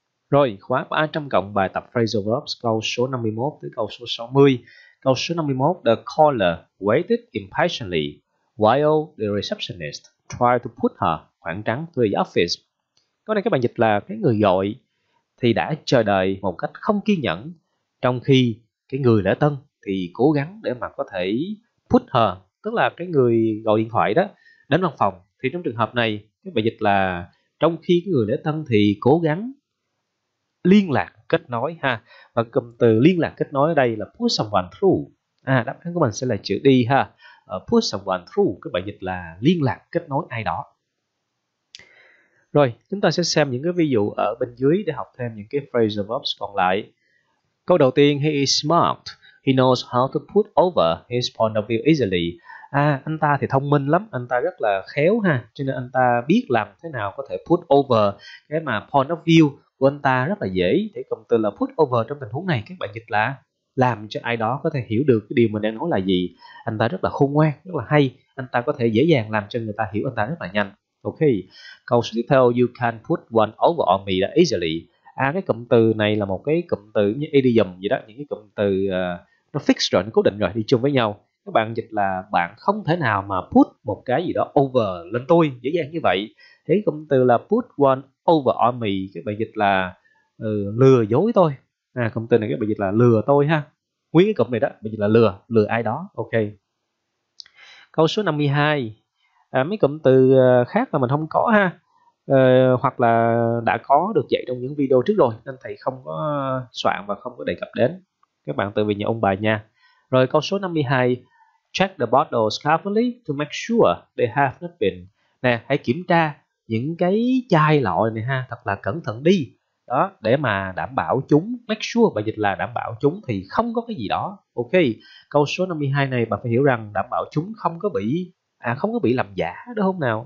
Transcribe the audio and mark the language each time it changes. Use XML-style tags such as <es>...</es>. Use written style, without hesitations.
<vi>Rồi, khóa 300 cộng bài tập phrasal verbs câu số 51 tới câu số 60. Câu số 51,</vi> <en>the caller waited impatiently while the receptionist tried to put her</en> <vi>khoảng trắng</vi> <en>to the office.</en> <vi>Câu này các bạn dịch là cái người gọi thì đã chờ đợi một cách không kiên nhẫn, trong khi cái người lễ tân thì cố gắng để mà có thể put her, tức là cái người gọi điện thoại đó, đến văn phòng. Thì trong trường hợp này, các bạn dịch là trong khi cái người lễ tân thì cố gắng liên lạc kết nối ha, và cụm từ liên lạc kết nối ở đây là push someone through. À, đáp án của mình sẽ là chữ đi ha, push someone through, các bạn dịch là liên lạc kết nối ai đó. Rồi, chúng ta sẽ xem những cái ví dụ ở bên dưới để học thêm những cái phrasal verbs còn lại. Câu đầu tiên,</vi> <en>he is smart, he knows how to put over his point of view easily.</en> <vi>À, anh ta thì thông minh lắm, anh ta rất là khéo ha, cho nên anh ta biết làm thế nào có thể put over cái mà point of view của anh ta rất là dễ. Thì cụm từ là put over trong tình huống này các bạn dịch là làm cho ai đó có thể hiểu được cái điều mình đang nói là gì. Anh ta rất là khôn ngoan, rất là hay, anh ta có thể dễ dàng làm cho người ta hiểu anh ta rất là nhanh.</vi> <en>Ok,</en> <vi>câu tiếp theo,</vi> <en>you can put one over on me that easily.</en> <vi>À, cái cụm từ này là một cái cụm từ như idiom gì đó, những cái cụm từ nó fix rồi, nó cố định rồi, đi chung với nhau. Các bạn dịch là bạn không thể nào mà put một cái gì đó over lên tôi dễ dàng như vậy. Thế cụm từ là put one over on me, các bạn dịch là lừa dối tôi. À, cụm từ này các bạn dịch là lừa tôi ha. Nguyên cái cụm này đó, mình dịch là lừa, lừa ai đó. Ok. Câu số 52. À, mấy cụm từ khác là mình không có ha. Hoặc là đã có được dạy trong những video trước rồi, nên thầy không có soạn và không có đề cập đến. Các bạn tự về nhà ông bà nha. Rồi câu số 52.</vi> <en>Check the bottles carefully to make sure they have not been.</en> <vi>Nè, hãy kiểm tra những cái chai lọ này ha, thật là cẩn thận đi. Đó, để mà đảm bảo chúng,</vi> <en>make sure,</en> <vi>bài dịch là đảm bảo chúng thì không có cái gì đó. Ok, câu số 52 này bạn phải hiểu rằng đảm bảo chúng không có bị, không có bị làm giả, đúng không nào?</vi>